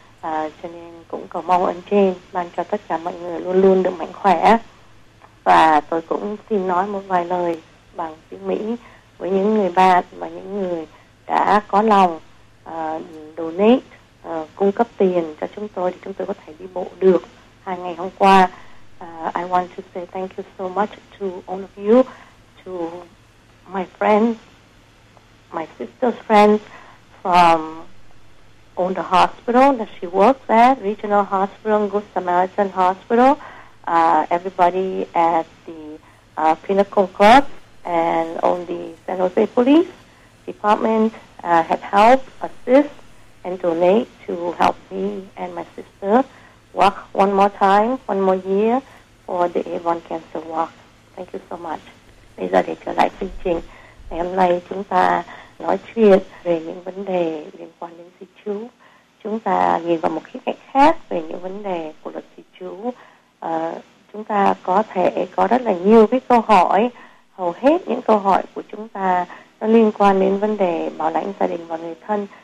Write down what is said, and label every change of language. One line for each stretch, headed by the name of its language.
Vietnamese: Cho nên cũng cầu mong ơn trên ban cho tất cả mọi người luôn luôn được mạnh khỏe. Và tôi cũng xin nói một vài lời bằng tiếng Mỹ với những người bạn và những người đã có lòng donate, cung cấp tiền cho chúng tôi thì chúng tôi có thể đi bộ được hai ngày hôm qua.
English: I want to say thank you so much to all of you, to my friends, friends from own the hospital that she works at, Regional Hospital and Good Samaritan Hospital, everybody at the Pinnacle Club and on the San Jose Police Department had helped, assist, and donate to help me and my sister walk one more time, one more year for the Avon Cancer Walk. Thank you so much.
Vietnamese: Bây giờ để trở lại chương trình, ngày hôm nay chúng ta nói chuyện về những vấn đề liên quan đến di trú. Chúng ta nhìn vào một khía cạnh khác về những vấn đề của luật di trú. Chúng ta có thể có rất là nhiều cái câu hỏi. Hầu hết những câu hỏi của chúng ta nó liên quan đến vấn đề bảo lãnh gia đình và người thân.